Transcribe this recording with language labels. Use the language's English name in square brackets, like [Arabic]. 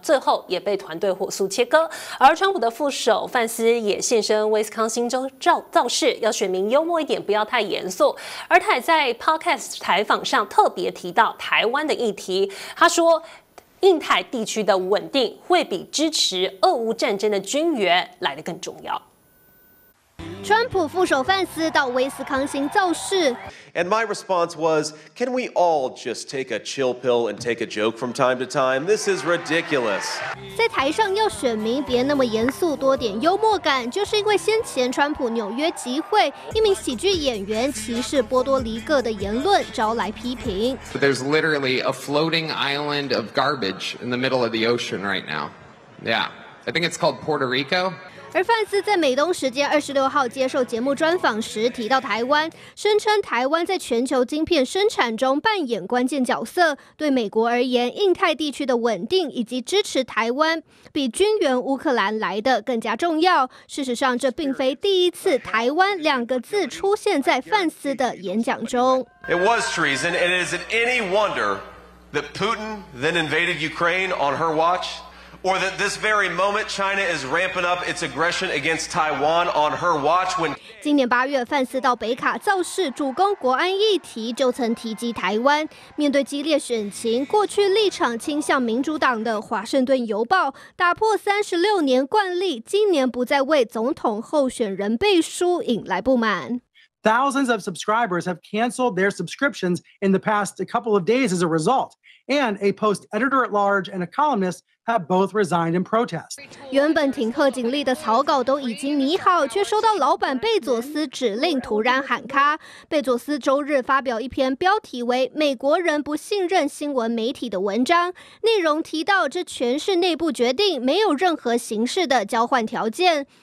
[Chinese] 最后也被团队火速切割。而川普的副手范斯也现身威斯康星州造势，是要选民幽默一点，不要太严肃。而他也在 podcast 采访上特别提到台湾的议题，他说印太地区的稳定会比支持俄乌战争的军援来得更重要。川普副手范斯到威斯康星造势。 [English] And my response was, can we all just take a chill pill and take a joke from time to time? This is ridiculous. [Chinese] 在台上要选民别那么严肃，多点幽默感，就是因为先前川普纽约集会，一名喜剧演员歧视波多黎各的言论招来批评。 [English] There's literally a floating island of garbage in the middle of the ocean right now. Yeah, I think it's called Puerto Rico. [Chinese] 而范斯在美东时间26号接受节目专访时提到台湾，声称台湾在全球晶片生产中扮演关键角色，对美国而言，印太地区的稳定以及支持台湾比军援乌克兰来得更加重要。事实上，这并非第一次台湾两个字出现在范斯的演讲中。 [English] It was treason, and is it any wonder that Putin then invaded Ukraine on her watch? Or that this very moment China is ramping up its aggression against Taiwan on her watch when [Chinese] 今年八月范斯到北卡造势，主攻国安议题，就曾提及台湾。面对激烈选情，过去立场倾向民主党的《华盛顿邮报》打破36年惯例，今年不再为总统候选人背书，引来不满。 [English] Thousands of subscribers have canceled their subscriptions in the past couple of days as a result, and a post editor at large and a columnist have both resigned in protest. [Chinese] 原本停课警力的草稿都已经拟好，却收到老板贝佐斯指令突然喊卡。贝佐斯周日发表一篇标题为《美国人不信任新闻媒体》的文章，内容提到这全是内部决定，没有任何形式的交换条件。